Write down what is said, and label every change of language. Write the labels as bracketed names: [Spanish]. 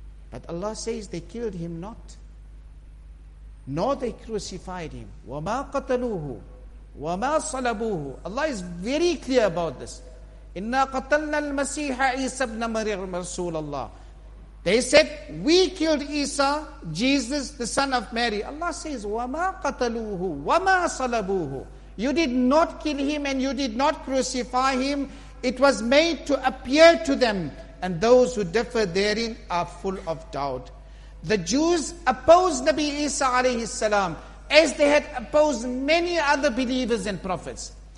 [English] But Allah says they killed him not, nor they crucified him. [Arabic] وَمَا قَتَلُوهُ وَمَا صَلَبُوهُ. [English] Allah is very clear about this. [Arabic] إِنَّا قَتَلْنَا الْمَسِيحَ عِيسَى بْنَ مَرْيَمَ رَسُولَ اللَّهِ. [English] They said, we killed Isa, Jesus, the son of Mary. Allah says, [Arabic] وَمَا قَتَلُوهُ وَمَا صَلَبُوهُ. [English] You did not kill him and you did not crucify him. It was made to appear to them. And those who differ therein are full of doubt. The Jews opposed Nabi Isa alayhi salam as they had opposed many other believers and prophets.